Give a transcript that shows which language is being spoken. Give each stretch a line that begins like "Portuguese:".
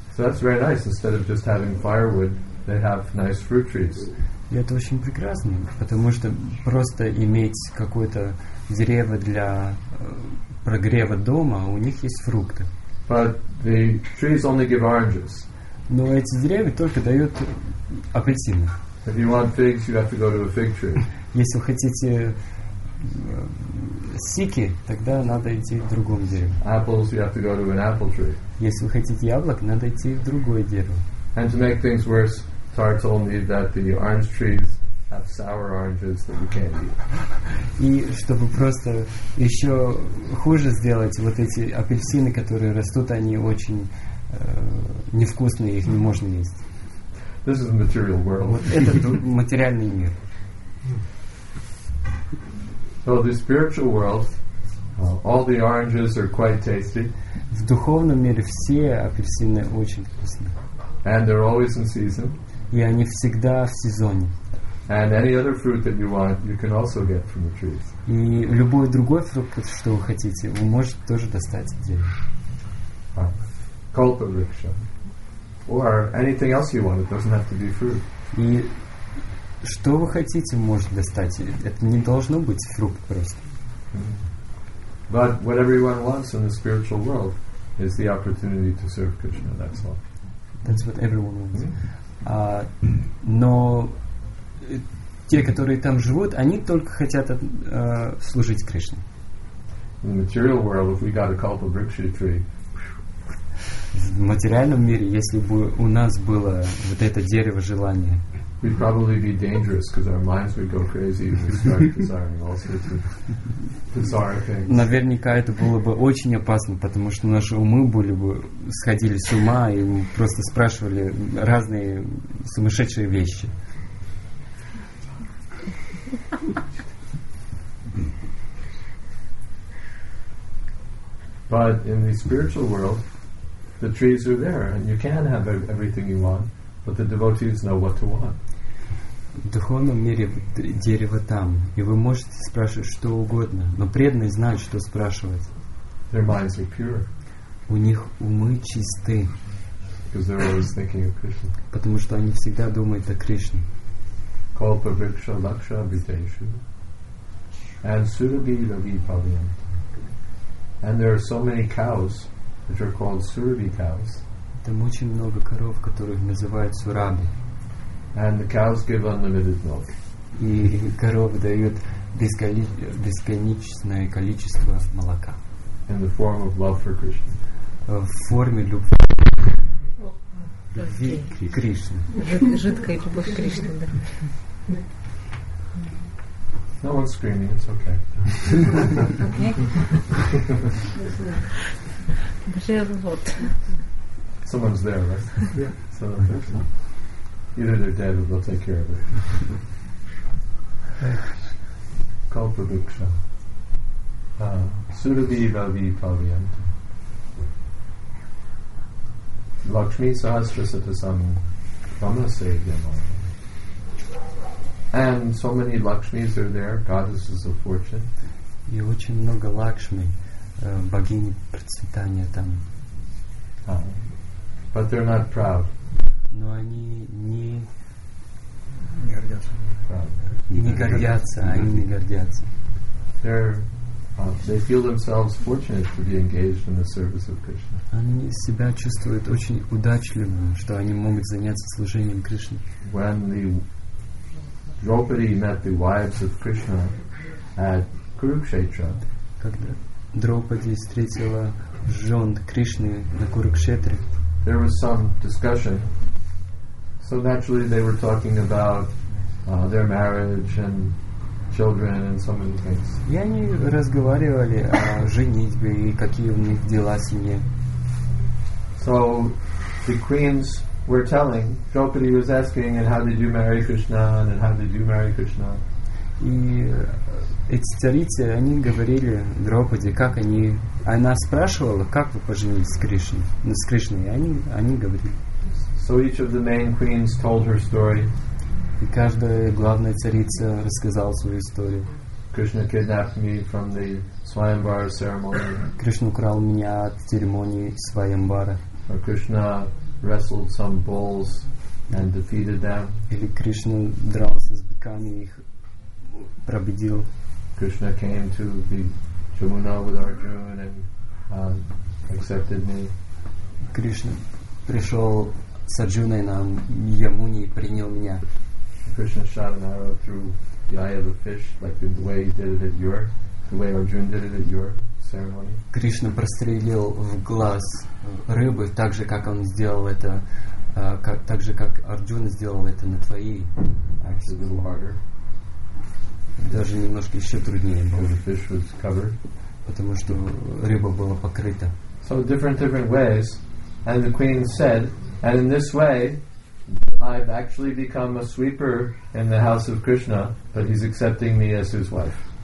English: So that's very nice. Instead of just having firewood, they have nice fruit trees.
Russian: И это очень прекрасно, потому что просто иметь какое-то дерево для прогрева дома, у них есть фрукты.
English: But the trees only give oranges.
Russian: Но эти деревья только дают апельсины.
English: If you want figs, you have to go to a fig tree.
Russian: Если вы хотите сики, тогда надо идти в другом дереве.
English: Apples, you have to go to an apple tree.
Russian: Если вы хотите яблок, надо идти в другое дерево.
English: And to make things worse, Tar told me that the orange trees have sour oranges that you can't eat.
Russian: И чтобы просто еще хуже сделать, вот эти апельсины, которые растут, они очень невкусные, их не можно есть.
English: This is the material world.
Russian: Вот это материальный мир.
English: So the spiritual world, all the oranges are quite tasty.
Russian: В духовном мире все апельсины очень вкусные.
English: And they're always in season.
Russian: И они всегда в сезоне.
English: And any other fruit that you want, you can also get from the trees.
Russian: И любой другой фрукт, что вы хотите, вы можете тоже достать из дерева.
English: Kalpa Vriksha. Or anything else you want, it doesn't have to be fruit.
Russian: И что вы хотите, можете достать. Это не должно быть фрукт просто.
English: But what everyone wants in the spiritual world is the opportunity to serve Krishna, that's all. That's what everyone wants. Mm-hmm.
Russian: Но те, которые там живут, они только хотят служить Кришне.
English: In the material world, if we got a Kalpa Vriksha tree,
Russian: в материальном мире, если бы у нас было вот это дерево желания,
English: we'd probably be dangerous because our minds would go crazy and we'd start desiring all sorts of bizarre things.
Russian: Наверняка это было бы очень опасно, потому что наши умы были бы сходили с ума и просто спрашивали разные сумасшедшие вещи.
English: But in the spiritual world, the trees are there and you can have everything you want, but the devotees know what to want.
Russian: В духовном мире дерево там, и вы можете спрашивать что угодно, но преданные знают, что спрашивать.
English: Their minds are pure.
Russian: У них умы чисты.
English: Because they're always thinking of Krishna.
Russian: Потому что они всегда думают о Кришне.
Sanskrit: Kalpa Vriksha Laksha Abhiteshu. And Surabhi Ravi Pavyant.
English: And there are so many cows which are called Surabhi cows.
Russian: Там очень много коров, которых называют Сураби.
English: And the cows give unlimited milk.
Russian: И коровы дают бесконечное количество молока.
English: In the form of love for Krishna.
Russian: В форме любви к Кришне. Жидкая любовь к Кришне, да.
English: No one's screaming, it's okay. Жерлот. Someone's there, right? Yeah. So there's one. Either they're dead or they'll take care of it. Kalpa Vriksha.
Sanskrit: Surabhi Ravi Pavyanta. Lakshmi Sahasra Satasam Vama Sevyamam.
English: And so many Lakshmis are there, goddesses of fortune.
Russian: И очень много Лакшми, богини процветания там.
English: But they're not proud.
Russian: Но они не гордятся.
English: They feel themselves fortunate to be engaged in the service of Krishna.
Russian: Они себя чувствуют очень удачливыми, что они могут заняться служением Кришне.
English: When the Draupadi met the wives of Krishna at Kurukshetra.
Russian: Когда Драупади встретила жен Кришны на Курукшетре.
English: There was some discussion. So naturally they were talking about their marriage and children and so many things.
Russian: И они разговаривали о женитьбе и какие у них дела в семье.
English: So the queens were telling, Draupadi was asking, and how did you marry Krishna, and how did you marry Krishna?
Russian: И эти царицы, они говорили Драупаде, как они... Она спрашивала, как вы поженились с Кришной, и они говорили.
English: So each of the main queens told her story.
Russian: И каждая главная царица рассказала свою историю.
English: Krishna kidnapped me from the Swayambhara ceremony.
Russian: Кришна украл меня от церемонии Свайамбара.
English: Or Krishna wrestled some bulls and defeated them.
Russian: Или Кришна дрался с быками и их победил.
English: Krishna came to the Jamuna with Arjuna and accepted me.
Russian: Кришна пришел с Арджуной на Ямуне и принял меня.
English: Krishna shot an arrow through the eye of a fish, like the way he did it at your, the way Arjuna did it at your ceremony.
Russian: Кришна прострелил в глаз рыбы, так же как он сделал это, так же как Арджуна сделал это на твоей.
English: Actually, a little harder.
Russian: Даже немножко еще труднее было.
English: Because the fish was covered.
Russian: Потому что рыба была покрыта.
English: So different ways, and the queen said. And in this way, I've actually become a sweeper in the house of Krishna, but he's accepting me as his wife.